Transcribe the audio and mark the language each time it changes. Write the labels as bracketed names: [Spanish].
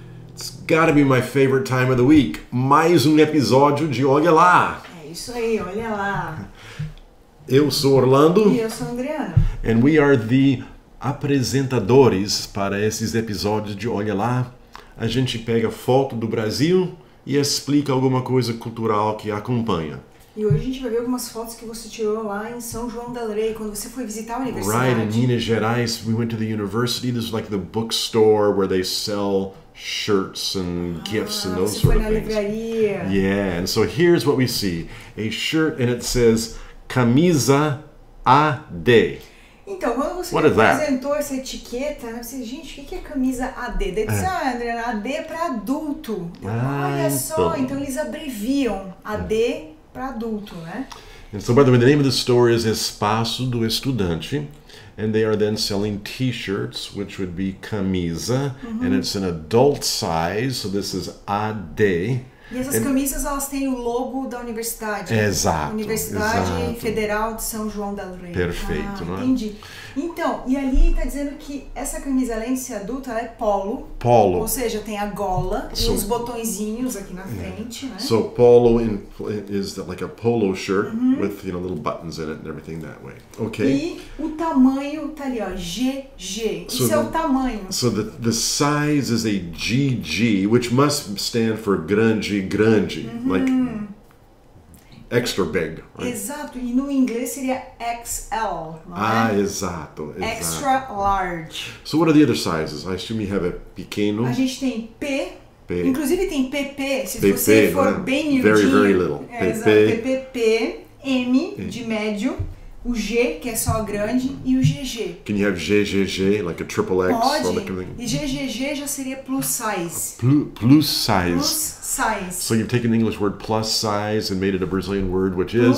[English] It's gotta be my favorite time of the week. [Portuguese] Mais um episódio de Olha Lá. É isso aí, Olha Lá. Eu sou Orlando. E eu sou Andriana. [English] And we are the [Portuguese] apresentadores para esses episódios de Olha Lá. A gente pega foto do Brasil e explica alguma coisa cultural que acompanha. E hoje a gente vai ver algumas fotos que você tirou lá em São João del Rei, quando você foi visitar a universidade. [English] Right, in Minas Gerais, we went to the university. This is like the bookstore where they sell shirts and gifts and those sort of things. [Portuguese] Ah, você foi na livraria. [English] Yeah, and so here's what we see. A shirt, and it says, camisa AD. [Portuguese] Então, quando você me apresentou essa etiqueta, eu disse, gente, o que é camisa AD? Daí disse, ah, Andriana, AD é para adulto. Então eles abreviam AD para adulto, né? [English] And so, by the way, the name of the store is Espaço do Estudante. And they are then selling t-shirts, which would be camisa. Uhum. And it's an adult size, so this is AD. [Portuguese] E essas camisas, elas têm o logo da universidade. Exato. Universidade Federal de São João del Rei. Perfeito, ah, não é? Entendi. Então, e ali está dizendo que essa camisa, além de ser adulta, ela é polo. Polo. Ou seja, tem a gola e os botõezinhos aqui na frente, né? [English] So polo is like a polo shirt with, you know, little buttons in it and everything that way. Okay. [Portuguese] E o tamanho está ali, ó, GG. Isso é o tamanho. [English] So the size is a GG, which must stand for grande, grande. Uh-huh. Like extra big, right? [Portuguese] Exato, e no inglês seria XL, não é? Ah, exato, exato. [English] Extra large. So what are the other sizes? I assume you have a pequeno. [Portuguese] A gente tem P. P. Inclusive tem PP, se PP, você for não é? Bem miudinho. [English] Very, very little. [Portuguese] É, PP. Exato, PPP, M, de médio, o G, que é só grande, e o GG. [English] Can you have GGG, like a triple X? [Portuguese] Pode, [English] kind of, [Portuguese] e GGG já seria plus size. [English] Plus size. Plus size. So you've taken the English word plus size and made it a Brazilian word, which is